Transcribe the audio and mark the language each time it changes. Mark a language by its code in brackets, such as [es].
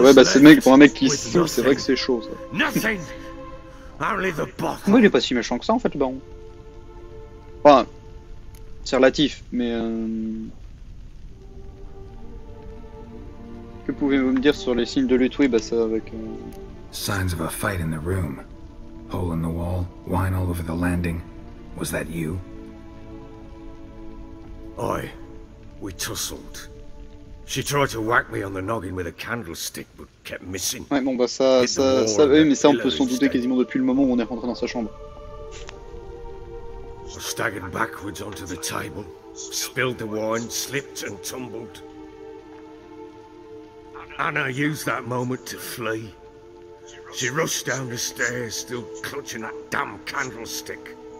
[fr] Ouais, bah c'est le mec, pour un mec qui souffle, c'est vrai que c'est chaud, ça. [en] Nothing. Only the bottle. [fr] Moi, il est pas si méchant que ça, en fait, le baron. Enfin, c'est relatif, mais... Que pouvez-vous me dire sur les signes de lutte? Oui, bah ça, avec... [en] Signs of a fight in the room. Hole in the wall, wine all over the landing. Was that you? Oi, we tussled. She tried to whack me on the noggin with a candlestick, but kept missing. [fr] Ouais, bon, bah ça, oui, mais ça, on peut s'en douter quasiment depuis le moment où on est rentré dans sa chambre. [en] I staggered backwards onto the table, spilled the wine, slipped and tumbled. Anna used that moment to flee. She rushed down the stairs, still clutching that damn candlestick.